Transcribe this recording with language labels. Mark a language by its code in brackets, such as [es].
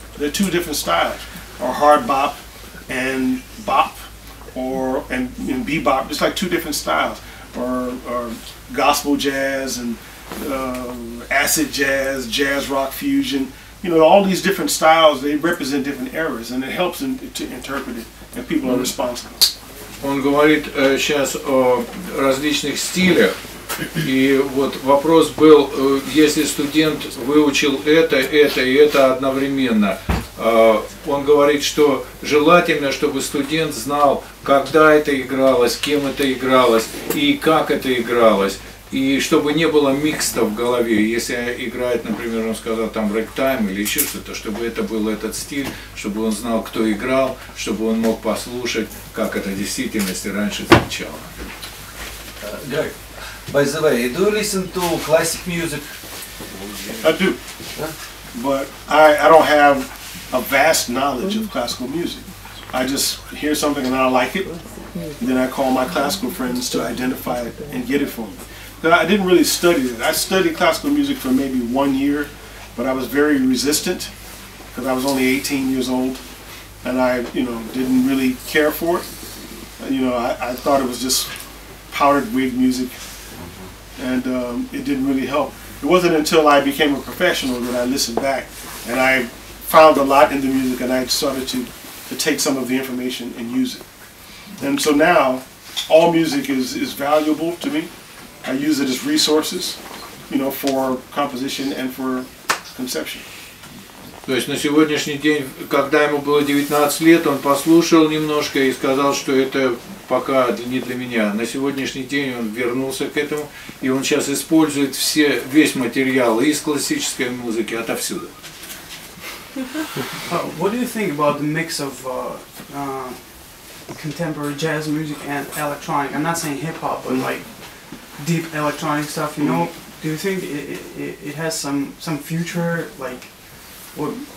[en] They're two different styles, or hard bop and bop, or bebop. It's like two different styles, or gospel jazz and acid jazz rock fusion. You know, all these different styles, they represent different eras, and it helps them to interpret it, and people are responsible. [ru] Он говорит сейчас о различных стилях. И вот вопрос был, если студент выучил это и это одновременно. Он говорит, что желательно, чтобы студент знал, когда это игралось, кем это игралось и как это игралось. И чтобы не было микста в голове, если играет, например, он сказал, там, рэгтайм или еще что-то, чтобы это был этот стиль, чтобы он знал, кто играл, чтобы он мог послушать, как это в действительности раньше звучало. [en] Greg, by the way, do you listen to classic music? I do, but I don't have a vast knowledge of classical music. I just hear something and I like it, and then I call my classical friends to identify it and get it for me. I didn't really study it. I studied classical music for maybe 1 year, but I was very resistant because I was only 18 years old, and I, you know, didn't really care for it. You know, I thought it was just powdered wig music, and it didn't really help. It wasn't until I became a professional that I listened back, and I found a lot in the music, and I started to take some of the information and use it. And so now, all music is valuable to me. I use it as resources, you know, for composition and for conception. [ru] То есть на сегодняшний день, когда ему было 19 лет, он послушал немножко и сказал, что это пока не для меня. На сегодняшний день он вернулся к этому, и он сейчас использует весь материал из классической музыки отовсюду. [en] What do you think about the mix of contemporary jazz music and electronic? I'm not saying hip hop, but like deep electronic stuff, you know, do you think it has some future, like, what?